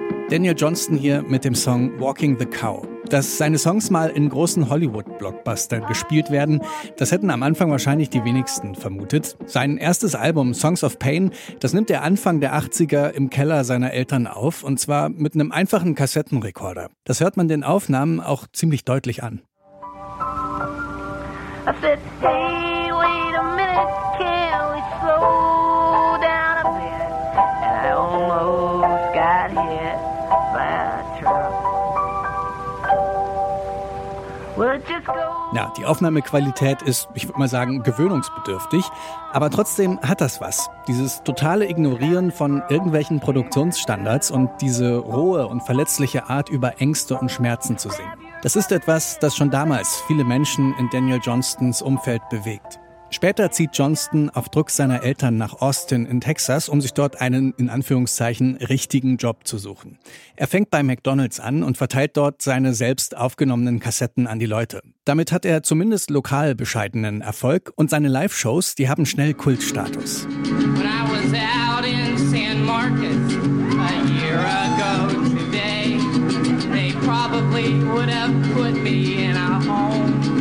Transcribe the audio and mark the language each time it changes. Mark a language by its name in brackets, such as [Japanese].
[German] Daniel Johnston hier mit dem Song Walking the Cow. Dass seine Songs mal in großen Hollywood-Blockbustern gespielt werden, das hätten am Anfang wahrscheinlich die wenigsten vermutet. Sein erstes Album Songs of Pain, das nimmt er Anfang der 80er im Keller seiner Eltern auf, und zwar mit einem einfachen Kassettenrekorder. Das hört man den Aufnahmen auch ziemlich deutlich an. [English] I said, hey, wait a minute, can we slow down a bit? And I almost got hit by a truck. Will it just go? [German] Ja, die Aufnahmequalität ist, ich würde mal sagen, gewöhnungsbedürftig. Aber trotzdem hat das was. Dieses totale Ignorieren von irgendwelchen Produktionsstandards und diese rohe und verletzliche Art, über Ängste und Schmerzen zu singen. Das ist etwas, das schon damals viele Menschen in Daniel Johnstons Umfeld bewegt. Später zieht Johnston auf Druck seiner Eltern nach Austin in Texas, um sich dort einen, in Anführungszeichen, richtigen Job zu suchen. Er fängt bei McDonald's an und verteilt dort seine selbst aufgenommenen Kassetten an die Leute. Damit hat er zumindest lokal bescheidenen Erfolg und seine Live-Shows, die haben schnell Kultstatus. [English] When I was out in San Marcos a year ago today, they probably would have put me in a home.